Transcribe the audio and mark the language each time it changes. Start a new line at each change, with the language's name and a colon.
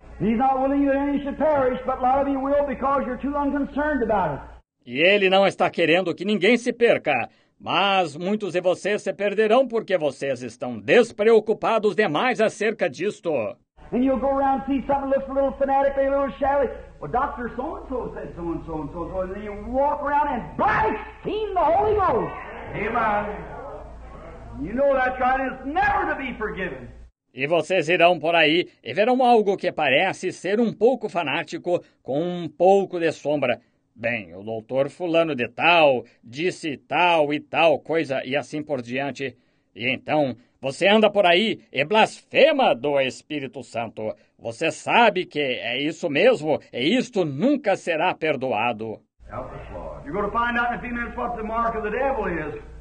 English: He's not willing that any should perish, but a lot of you will because you're too unconcerned about it.
Portuguese: E ele não está querendo que ninguém se perca, mas muitos de vocês se perderão porque vocês estão despreocupados demais acerca disto.
English: And you'll go around and see something that looks a little fanatic, a little shabby. Well, Dr. So-and-so said so-and-so and so-and-so. And then you walk around and blaspheme the Holy Ghost. Amen. You know that kind is never to be forgiven.
Portuguese: E vocês irão por aí e verão algo que parece ser um pouco fanático com um pouco de sombra. Bem, o doutor fulano de tal disse tal e tal coisa e assim por diante. E então, você anda por aí e blasfema do Espírito Santo. Você sabe que é isso mesmo e isto nunca será perdoado.
English: You're going to find out in a few minutes what the mark of the devil is.